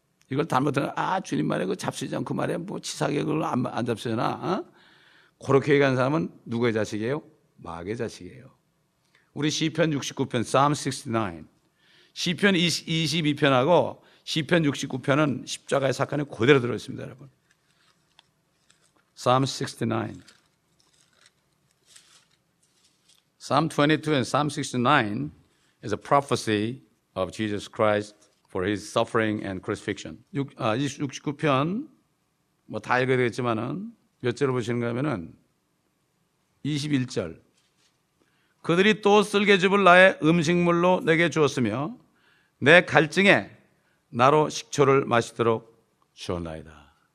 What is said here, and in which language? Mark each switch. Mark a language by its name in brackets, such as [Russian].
[Korean] 이걸 닮았더니 아 주님 말에 그 잡수지 않고 말에 뭐 치사하게 그걸 안 잡수잖아. 어? 그렇게 얘기하는 사람은 누구의 자식이에요? 마귀의 자식이에요. 우리 시편 69편 Psalm 69 시편 22편하고 시편 69편은 십자가의 사건에 그대로 들어있습니다. 여러분 [English] Psalm 69 Psalm 22 and Psalm 69 is a prophecy of Jesus Christ for his suffering and crucifixion. [Korean] 69편, 뭐 다 읽어야 되겠지만은, 몇 절을 보시는가 하면은, 21절. 그들이 또 쓸개즙을 나의 음식물로 내게 주었으며, 내 갈증에 나로 식초를 마시도록 주었나이다.